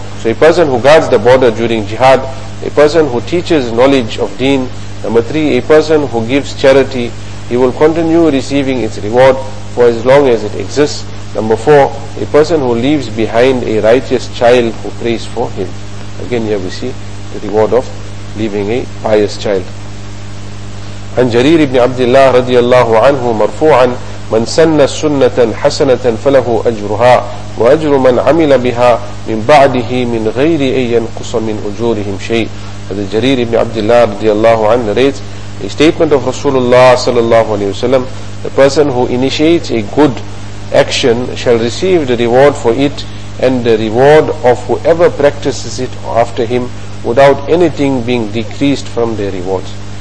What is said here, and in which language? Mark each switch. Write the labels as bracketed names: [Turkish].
[English] So a person who guards the border during jihad, a person who teaches knowledge of deen, number three, a person who gives charity, he will continue receiving its reward for as long as it exists. Number four, a person who leaves behind a righteous child who prays for him. Again, here we see the reward of leaving a pious child. [Arabic] عن جرير بن عبد الله رضي الله عنه مرفوعا من سن سنة حسنة فله أجرها وأجر من عمل بها من بعده من غير أن ينقص من أجورهم شيء. [English] هذا جرير بن عبد الله رضي الله عنه narrates a statement of Rasulullah sallallahu alayhi wa sallam, the person who initiates a good action shall receive the reward for it and the reward of whoever practices it after him without anything being decreased from their rewards.